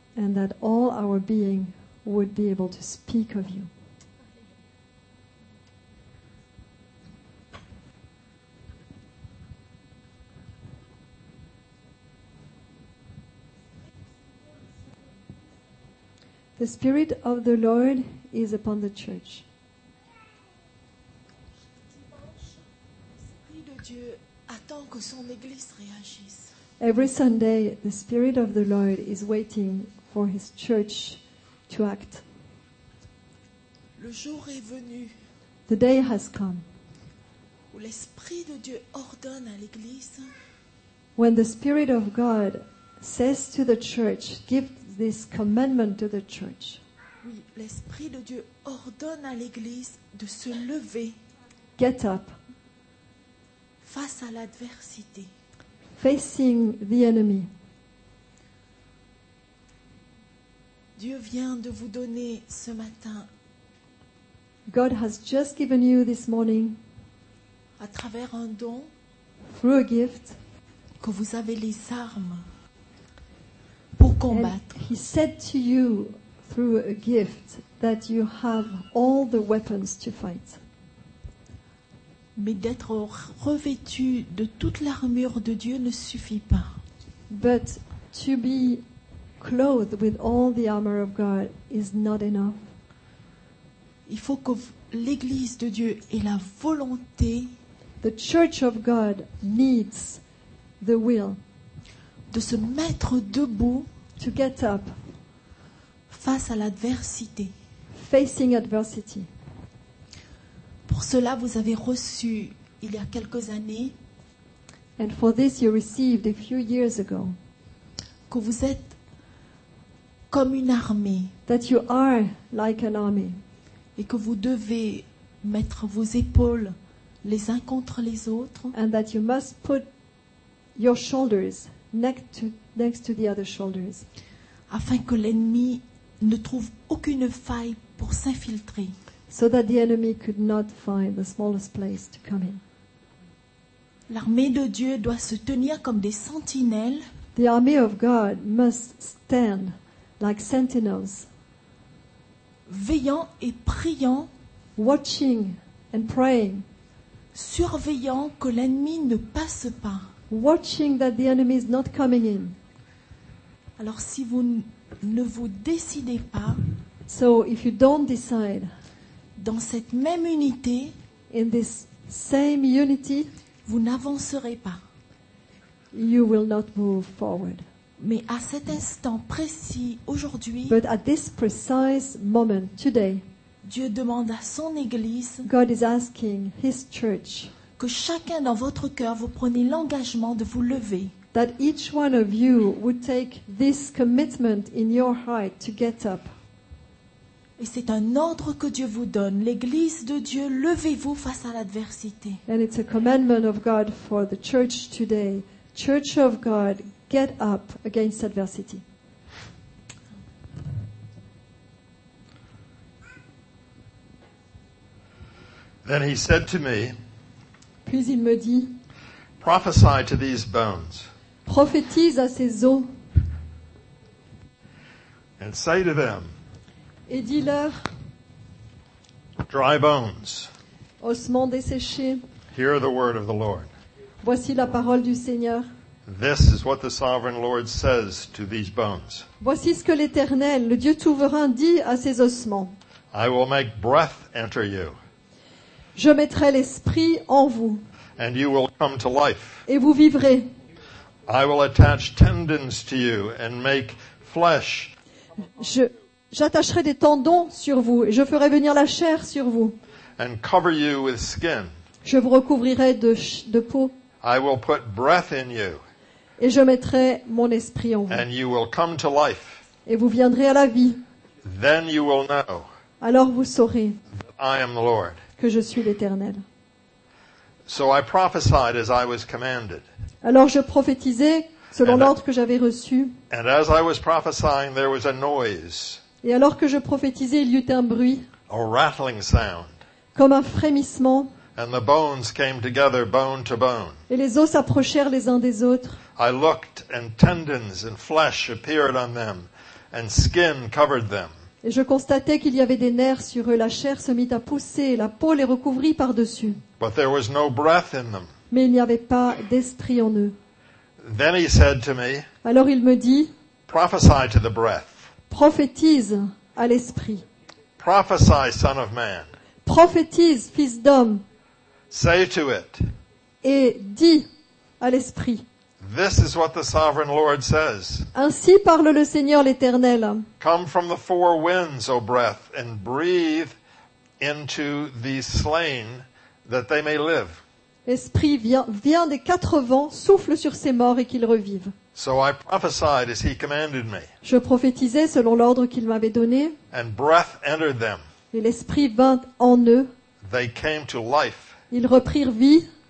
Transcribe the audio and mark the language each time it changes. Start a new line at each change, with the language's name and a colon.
English: And that all our being would be able to speak of you. The Spirit of the Lord is upon the church. Every Sunday, the Spirit of the Lord is waiting for his church to act.
French: Le jour est venu.
English: The day has come.
French: Où l'Esprit de Dieu ordonne à l'Église.
English: When the Spirit of God says to the church, give this commandment to the church.
French: Oui, l'Esprit de Dieu ordonne à l'Église de se lever.
English: Get up.
French: Face à l'adversité.
English: Facing the enemy.
French: Dieu vient de vous donner ce matin.
English: God has just given you this morning.
French: À travers un don.
English: Through a gift.
French: Que vous avez les armes. Pour combattre.
English: And he said to you through a gift that you have all the weapons to fight.
French: Mais d'être revêtu de toute l'armure de Dieu ne suffit pas.
English: But to be clothed with all the armor of God is not enough.
French: Il faut que l'Église de Dieu ait la volonté.
English: The Church of God needs the will.
French: De se mettre debout.
English: To get up.
French: Face à l'adversité.
English: Facing adversity.
French: Pour cela, vous avez reçu il y a quelques années.
English: And for this, you received a few years ago.
French: Que vous êtes comme une armée.
English: That you are like an army.
French: Et que vous devez mettre vos épaules les uns contre les autres.
English: And that you must put your shoulders next to the other shoulders.
French: Afin que l'ennemi ne trouve aucune faille pour s'infiltrer.
English: So that the enemy could not find the smallest place to come in.
French: L'armée de Dieu doit se tenir comme des sentinelles.
English: The army of God must stand like sentinels.
French: Veillant et priant.
English: Watching and praying.
French: Surveillant que l'ennemi ne passe pas.
English: Watching that the enemy is not coming in.
French: Alors si vous ne vous décidez pas.
English: So if you don't decide.
French: Dans cette même unité,
English: in this same unity,
French: vous n'avancerez pas.
English: You will not move forward.
French: Mais à cet instant précis, aujourd'hui,
English: but at this precise moment, today,
French: Dieu demande à son Église,
English: God is asking his church,
French: que chacun dans votre cœur, vous preniez l'engagement de vous lever.
English: That each one of you would take this commitment in your heart to get up.
French: Et c'est un ordre que Dieu vous donne. L'Église de Dieu, levez-vous face à l'adversité.
English: And it's a commandment of God for the church today. Church of God, get up against adversity. Then he said to me,
French: puis il me dit,
English: prophesy to these bones.
French: Prophétise à ces os.
English: And say to them,
French: et dis-leur,
English: dry bones,
French: ossements desséchés,
English: hear the word of the Lord.
French: Voici la parole du Seigneur.
English: This is what the sovereign Lord says to these bones.
French: Voici ce que l'Éternel, le Dieu souverain, dit à ces ossements.
English: I will make breath enter you.
French: Je mettrai l'esprit en vous.
English: And you will come to life.
French: Et vous vivrez.
English: I will attach tendons to you and make flesh.
French: J'attacherai des tendons sur vous et je ferai venir la chair sur vous.
English: And cover you with skin.
French: Je vous recouvrirai de peau.
English: I will put breath in you.
French: Et je mettrai mon esprit en vous.
English: And you will come to life.
French: Et vous viendrez à la vie.
English: Then you will know.
French: Alors vous saurez
English: I am the Lord.
French: Que je suis l'Éternel.
English: So I prophesied as I was commanded.
French: Alors je prophétisais selon l'ordre que j'avais reçu.
English: And as I was prophesying, there was a noise.
French: Et alors que je prophétisais, il y eut un bruit.
English: A rattling sound.
French: Comme un frémissement.
English: And the bones came together, bone to bone.
French: Et les os s'approchèrent les uns des autres.
English: I looked, and tendons and flesh appeared on them, and skin covered them.
French: Et je constatai qu'il y avait des nerfs sur eux. La chair se mit à pousser, et la peau les recouvrit par-dessus.
English: But there was no breath in them.
French: Mais il n'y avait pas d'esprit en eux.
English: Then he said to me,
French: alors il me dit,
English: prophesy to the breath.
French: Prophétise à l'esprit.
English: Prophesy, son of man.
French: Prophétise, fils d'homme.
English: Say to it.
French: Et dis à l'esprit.
English: This is what the sovereign Lord says.
French: Ainsi parle le Seigneur l'Éternel.
English: Come from the four winds, O breath, and breathe into these slain that they may live.
French: Esprit, viens des quatre vents, souffle sur ces morts et qu'ils revivent.
English: So I prophesied as he commanded me.
French: Je prophétisais selon l'ordre qu'il m'avait donné.
English: And breath entered them.
French: Et l'esprit vint en eux.
English: They came to life.
French: Ils reprirent vie.